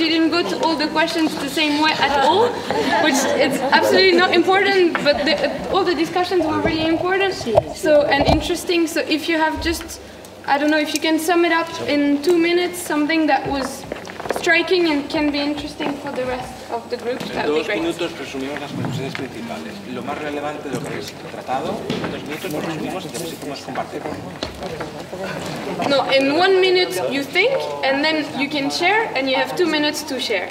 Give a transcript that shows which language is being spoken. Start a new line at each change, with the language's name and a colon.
English: You didn't go to all the questions the same way at all, which it's absolutely not important, but all the discussions were really important and interesting. So if you have just... I don't know if you can sum it up in 2 minutes, something that was striking and can be interesting for the rest of the group.
Spanish: En 2 minutos resumimos las conclusiones principales. Lo más relevante de lo que habéis tratado, en 2 minutos lo resumimos y después hicimos compartir.
English: No, in 1 minute you think and then you can share and you have 2 minutes to share.